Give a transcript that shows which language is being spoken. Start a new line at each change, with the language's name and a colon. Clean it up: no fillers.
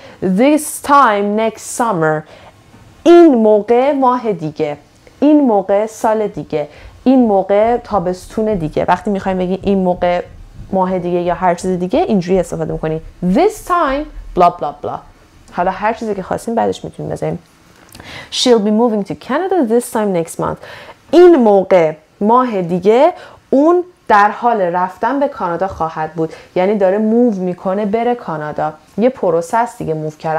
English: This time next summer.
Persian: این موقع ماه دیگه. این موقع سال دیگه. این موقع تابستون دیگه. وقتی میخوایم بگیم این موقع ماه دیگه یا هر چیز دیگه اینجوری استفاده میکنی. This time بلا بلا بلا. حالا هر چیزی که خواستیم بعدش میتونیم بزنیم.
English: She'll be moving to Canada this time next month.
Persian: این موقع ماه دیگه اون در حال رفتن به کانادا خواهد بود. یعنی داره موو میکنه بره کانادا. یه پروسه است دیگه موو کرده.